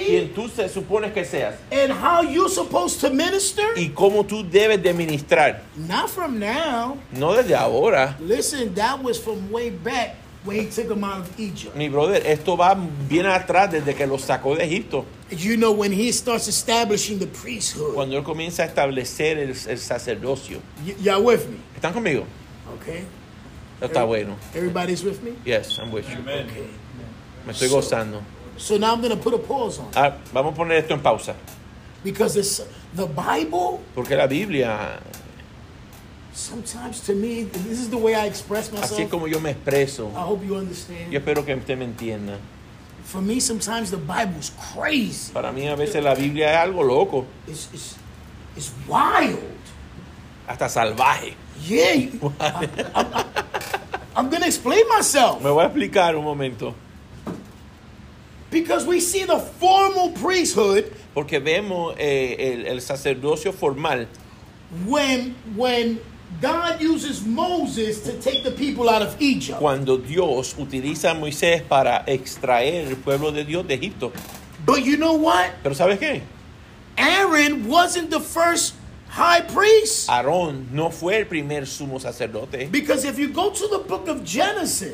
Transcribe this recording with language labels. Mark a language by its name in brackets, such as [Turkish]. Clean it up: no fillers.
[Spanish] Quien tú se supones que seas. [English] And how you supposed to minister. [Spanish] Y cómo tú debes de ministrar. [English] Not from now. [Spanish] No desde ahora. [English] Listen, that was from way back. When he took him out of Egypt. [Spanish] Mi [English] brother, [Spanish] esto va bien atrás desde que lo sacó de Egipto. [English] You know, when he starts establishing the priesthood. [Spanish] Cuando él comienza a establecer el sacerdocio. [English] Y'all with me? [Spanish] ¿Están conmigo? [English] Okay. [Spanish] Está bueno. [English] Everybody's with me? Yes, I'm with you. Amen. Okay. [Spanish] Me estoy gozando. [English] So now I'm going to put a pause on. [Spanish] Vamos a poner esto en pausa. [English] Because it's the Bible. [Spanish] Porque la Biblia. [English] Sometimes to me, this is the way I express myself. [Spanish] Así es como yo me expreso. [English] I hope you understand. [Spanish] Yo espero que usted me entienda. [English] For me, sometimes the Bible is crazy. [Spanish] Para mí a veces la Biblia es algo loco. [English] It's wild. [Spanish] Hasta salvaje. [English] Yeah. I'm going to explain myself. [Spanish] Me voy a explicar un momento. [English] Because we see the formal priesthood. [Spanish] Porque vemos el sacerdocio formal. [English] When God uses Moses to take the people out of Egypt. [Spanish] Cuando Dios utiliza a Moisés para extraer el pueblo de Dios de Egipto. [English] But you know what? [Spanish] Pero ¿sabes qué? [English] Aaron wasn't the first high priest. [Spanish] Aarón no fue el primer sumo sacerdote. [English] Because if you go to the book of Genesis.